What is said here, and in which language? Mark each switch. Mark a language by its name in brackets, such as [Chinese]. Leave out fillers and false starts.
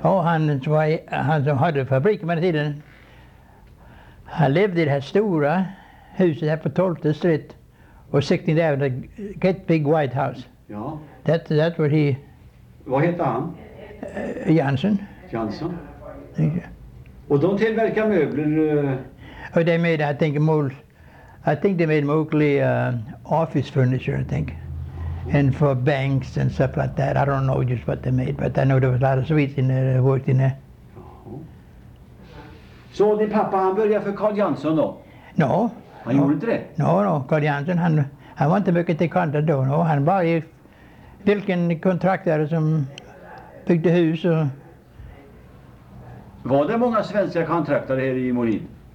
[Swedish] Ja, han som hade fabriken med den tiden, han levde i det här stora huset här på 12:e street och 16:e Avenue, [English] Great Big White House. [Swedish] Ja. [English] That was he. [Swedish] Vad hette han? Jansson. Jansson. Och de tillverkar möbler? [English] Och de made, I think they made mostly office furniture, I think. And for banks and stuff like that. I don't know just what they made, but I know there was a lot of Swedes in there that worked in there. [Swedish] Så din pappa, han började för Carl Jansson då? [English] No. [Swedish] Han gjorde inte det? [English] No. [Swedish] Carl Jansson, han var inte mycket till kontrakt då. No. Han var i vilken kontraktare som byggde hus. Och... Var det många svenska kontraktare här i Molin?